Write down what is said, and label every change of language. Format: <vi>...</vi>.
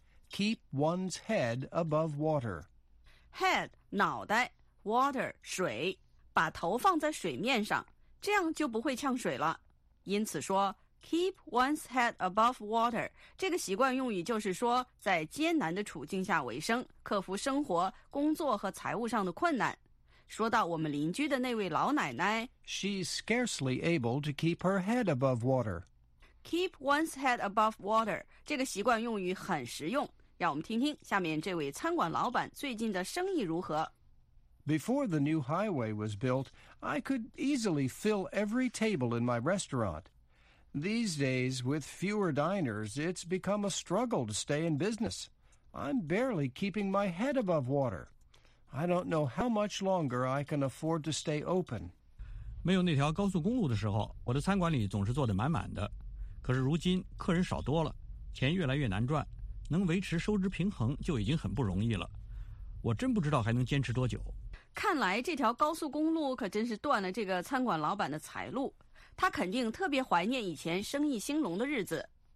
<en>Keep one's head above water.</en> <zh>Head, 脑袋 water, 水把头放在水面上这样就不会呛水了。因此说</zh> <en>keep one's head above water,</en> <zh>这个习惯用语就是说在艰难的处境下维生，克服生活、工作和财务上的困难。说到我们邻居的那位老奶奶</zh> <en>She's scarcely able to keep her head above water. Keep one's head above water,</en> <zh>这个习惯用语很实用。让我们听听下面这位餐馆老板最近的生意如何。</zh> <en>Before the new highway was built, I could easily fill every table in my restaurant. These days, with fewer diners, it's become a struggle to stay in business. I'm barely keeping my head above water. I don't know how much longer I can afford to stay open.</en> <zh>没有那条高速公路的时候，我的餐馆里总是坐得满满的。可是如今客人少多了，钱越来越难赚。能维持收支平衡就已经很不容易了，我真不知道还能坚持多久。看来这条高速公路可真是断了这个餐馆老板的财路，他肯定特别怀念以前生意兴隆的日子。</zh>